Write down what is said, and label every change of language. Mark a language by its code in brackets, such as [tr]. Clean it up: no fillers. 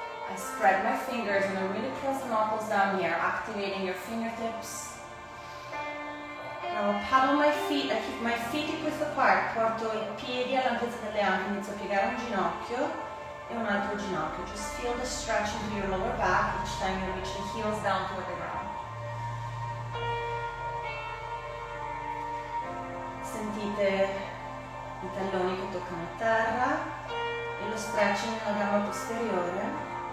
[en] I spread my fingers and I really press the knuckles down here, activating your fingertips. Now I paddle my feet, I keep my feet equal apart, [it] porto i piedi all'altezza delle anche, inizio a piegare un ginocchio e un altro ginocchio. [en] Just feel the stretch into your lower back each time you reach the heels down toward the ground. [it] Sentite sentite i talloni che toccano terra e lo stretching nella gamba posteriore.